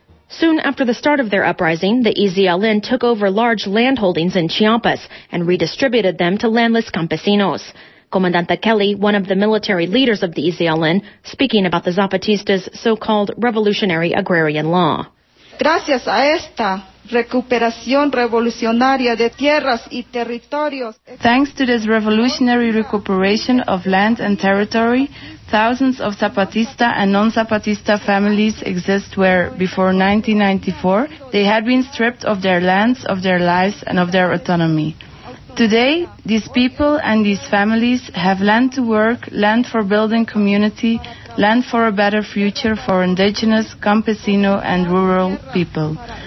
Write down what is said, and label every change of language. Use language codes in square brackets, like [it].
[en] Soon after the start of their uprising, the EZLN took over large landholdings in Chiapas and redistributed them to landless campesinos. Comandante Kelly, one of the military leaders of the EZLN, speaking about the Zapatistas' so-called revolutionary agrarian law. [es] Gracias a esta recuperación revolucionaria de tierras y territorios. [en] Thanks to this revolutionary recuperation of land and territory, thousands of Zapatista and non-Zapatista families exist where, before 1994, they had been stripped of their lands, of their lives, and of their autonomy. Today, these people and these families have land to work, land for building community, land for a better future for indigenous, campesino, and rural people.